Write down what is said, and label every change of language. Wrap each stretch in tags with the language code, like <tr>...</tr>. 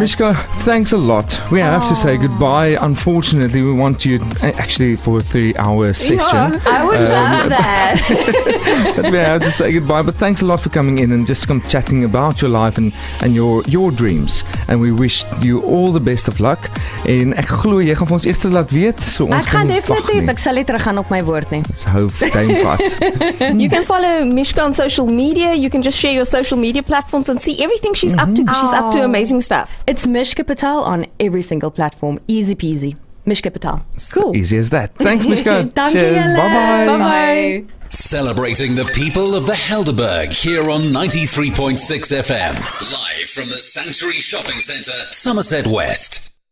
<en>Mishka, thanks a lot. We have to say goodbye. Unfortunately, we want you actually for a 3-hour session. Yeah, I would love that. But we have to say goodbye, but thanks a lot for coming in and just come chatting about your life and your dreams. And we wish you all the best of luck.</en> <af>En ek glo jy gaan vir ons eers laat weet, so ons kan nie wag nie. Ek sal nie teruggaan op my woord nie. So hou duim vas.</af> <en>You can follow Mishka on social media. You can just share your social media platforms and see everything she's up to. She's up to amazing stuff. It's Mishka Patel on every single platform. Easy peasy. Mishka Patel. Cool. So easy as that. Thanks, Mishka. Cheers. Bye-bye. Celebrating the people of the Helderberg here on 93.6 FM. Live from the Sanctuary Shopping Centre, Somerset West.</en>